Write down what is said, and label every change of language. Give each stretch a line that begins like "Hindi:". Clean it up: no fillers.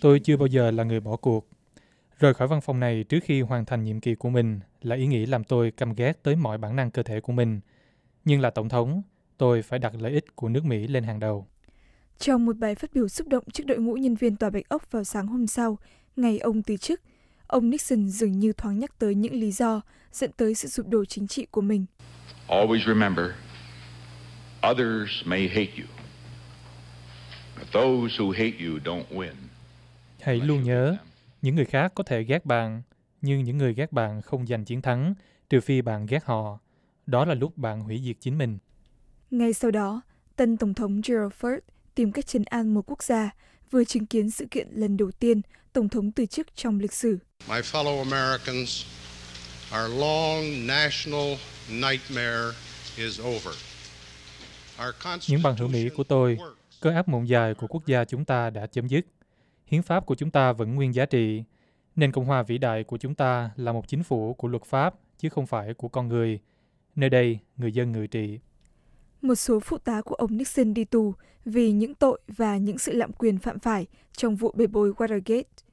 Vietnamese: Tôi chưa bao giờ là người bỏ cuộc. Rời khỏi văn phòng này trước khi hoàn thành nhiệm kỳ của mình là ý nghĩ làm tôi căm ghét tới mọi bản năng cơ thể của mình. Nhưng là Tổng thống, tôi phải đặt lợi ích của nước Mỹ lên hàng đầu. Trong một bài phát biểu xúc động trước đội ngũ nhân viên Tòa Bạch Ốc vào sáng hôm sau, ngày ông từ chức, ông Nixon dường như thoáng nhắc tới những lý do dẫn tới sự sụp đổ chính trị của mình.
English: Always remember, others may hate you, but those who hate you don't win.
Vietnamese: Hãy luôn nhớ, những người khác có thể ghét bạn, nhưng những người ghét bạn không giành chiến thắng trừ phi bạn ghét họ. Đó là lúc bạn hủy diệt chính mình. Ngay sau đó, tân Tổng thống Gerald Ford tìm cách trấn an một quốc gia vừa chứng kiến sự kiện lần đầu tiên Tổng thống từ chức trong lịch sử.
English: My fellow Americans, our long national nightmare is over.
Vietnamese: Những bằng hữu Mỹ của tôi, cơn ác mộng dài của quốc gia chúng ta đã chấm dứt. Hiến pháp của chúng ta vẫn nguyên giá trị. Nền Cộng hòa vĩ đại của chúng ta là một chính phủ của luật pháp, chứ không phải của con người. Nơi đây, người dân ngự trị. Một số phụ tá của ông Nixon đi tù vì những tội và những sự lạm quyền phạm phải trong vụ bê bối Watergate.